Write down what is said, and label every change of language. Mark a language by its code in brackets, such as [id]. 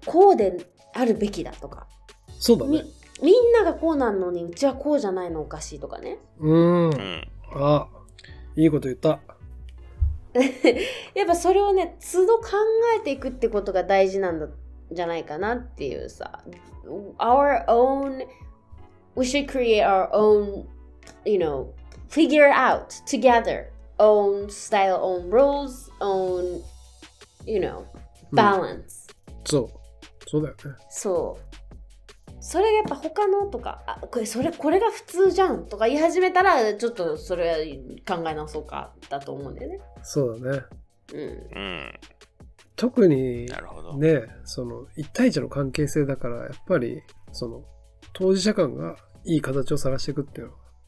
[ja] こうであるべきだとか、そうだね、みんながこうなんのにうちはこうじゃないのおかしいとかね。あ、いいこと言った。やっぱそれをね、都度考えていくってことが大事なんじゃないかなっていうさ。 [en] Our own We should create our own, you know, figure out together own style, own rules, own, you know, balance、 [ja] うん、そう、そうだよね。そう、それがやっぱ他のとか、あ、これそれ、これが普通じゃんとか言い始めたら、ちょっとそれ考え直そうかだと思うんだよね。そうだね。うん。特に、なるほど、ね、その一対一の関係性だから、やっぱりその当事者間がいい形を探していくっていうのは、